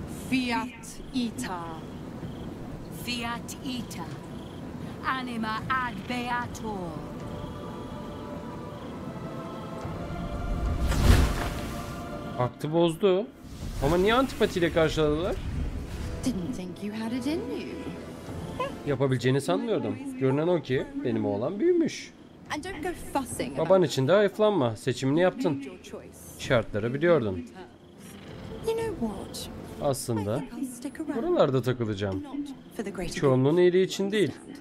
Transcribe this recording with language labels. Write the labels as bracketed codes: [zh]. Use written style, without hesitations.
[la] Fiat ita. Fiat ita. Anima ad beator. [tr] Paktı bozdu. Ama niye antipatiyle karşıladılar? [en] Didn't think you had it in you. [tr] Yapabileceğini sanmıyordum. Görünen o ki benim oğlan büyümüş. [en] And don't go fussing. [tr] Baban için de hayıflanma. Seçimini yaptın. Şartları biliyordun. [en] You know what? [tr] Aslında buralarda takılacağım. Çoğunluğun iyiliği için değil.